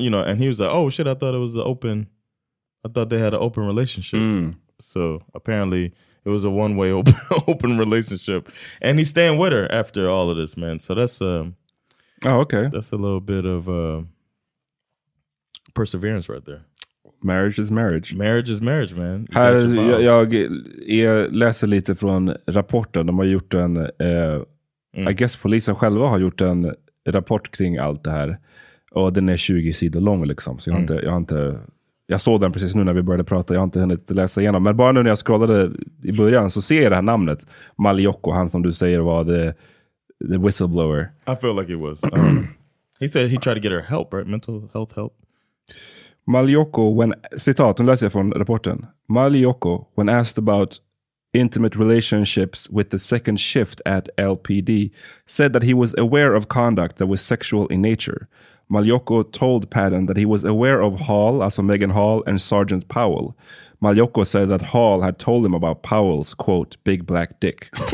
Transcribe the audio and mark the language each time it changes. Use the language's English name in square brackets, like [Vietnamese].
[English] You know, and he was like, "Oh shit, I thought it was an open. I thought they had an open relationship." Mm. So apparently, it was a one way open relationship, and he's staying with her after all of this, man. So that's oh, okay. That's a little bit of perseverance right there. Marriage is marriage. Marriage is marriage, man. [Swedish] Här, jag läser lite från rapporten. De har gjort en... [English] I guess [Swedish] polisen själva har gjort en rapport kring allt det här. Och den är 20 sidor lång, liksom. Så jag har inte... Jag såg den precis nu när vi började prata. Jag har inte hunnit läsa igenom. Men bara nu när jag scrollade i början så ser jag det här namnet. Malioko, han som du säger var [English] the whistleblower. I feel like it was. he said he tried to get her help, right? Mental health help. [Swedish] Malioko, when, citat, nu läser jag från rapporten. [English] Malioko, when asked about intimate relationships with the second shift at LPD, said that he was aware of conduct that was sexual in nature. Malioko told Patton that he was aware of Hall, also Megan Hall, and Sergeant Powell. Malioko said that Hall had told him about Powell's, quote, big black dick.